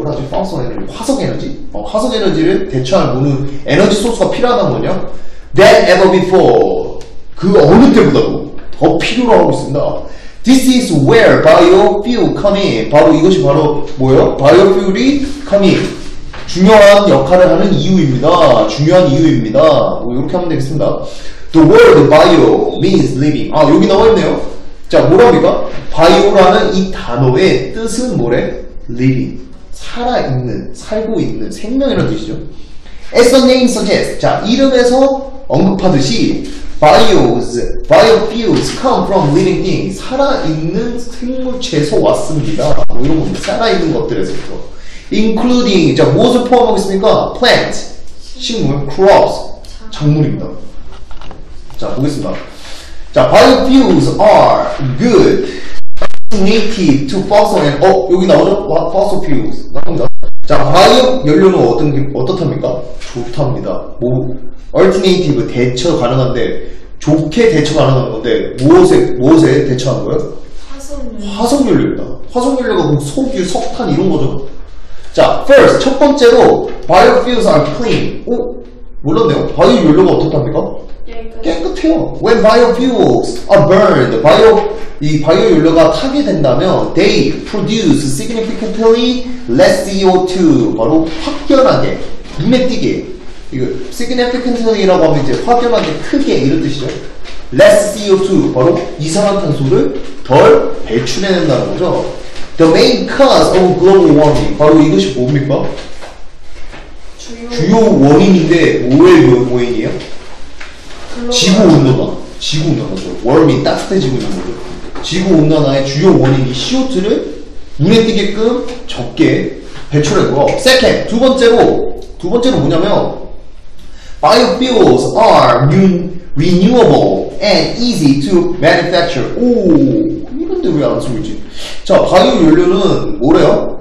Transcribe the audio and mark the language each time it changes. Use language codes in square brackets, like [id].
[ko] 파소 에너지. 화석 에너지. 어, 화석 에너지를 대체할 무는 에너지 소스가 필요하다는 거냐? [en] than ever before. [ko] 그 어느 때보다도 더 필요로 하고 있습니다. [en] This is where biofuel come in. [ko] 바로 이것이 바로 뭐예요? [en] biofuel이 come in. [ko] 중요한 역할을 하는 이유입니다. 중요한 이유입니다. 뭐 이렇게 하면 되겠습니다. [en] The word bio means living. [ko] 아, 여기 나와 있네요. 자, 뭐랍니까? 바이오라는 이 단어의 뜻은 뭐래? [en] living. [ko] 살아있는, 살고 있는, 생명이라는 뜻이죠. [en] As the name suggests. 자, [ko] 이름에서 언급하듯이, [en] biofuels come from living things. [ko] 살아있는 생물체에서 왔습니다. 뭐 이런 겁니다. 살아있는 것들에서부터. [en] including. [ko] 자, 무엇을 포함하겠습니까? plants. 식물. crops. 작물입니다. 자, 보겠습니다. [en] 자, biofuels are good native to fossil and, [ko] 어, 여기 나오죠? [en] What? Fossil fuels. [ko] 나옵니다. 자, 바이오 연료는 어떻답니까? 좋답니다. 뭐, alternative, 대처 가능한데, 좋게 대처 가능한 건데, 무엇에 대처한 거예요? 화석연료입니다. 화석연료가 뭐 석유, 석탄 이런 거죠. [en] 자, first, [ko] 첫 번째로, [en] biofuels are clean. [ko] 어? 몰랐네요. 바이오 연료가 어떻답니까? 깨끗해요. [en] When biofuels are burned, [ko] 바이오 연료가 타게 된다면 [en] they produce significantly less CO2. [ko] 바로 확연하게, 눈에 띄게. 이거 significantly라고 하면 이제 확연하게, 크게 이런 뜻이죠. [en] Less CO2, [ko] 바로 이산화탄소를 덜 배출해낸다는 거죠. [en] The main cause of global warming, [ko] 바로 이것이 뭡니까? 주요 원인인데 뭐예요? 지구 온난화죠. 워밍, 따뜻해지고 있는 거죠. 지구 온난화의 주요 원인이 CO2를 눈에 띄게끔 적게 배출했고요. [en] Second, [ko] 두 번째로 뭐냐면, [en] biofuels are renewable and easy to manufacture. [ko] 오, 이런데 왜 안 쓰고 있지? 자, 바이오 연료는 뭐래요?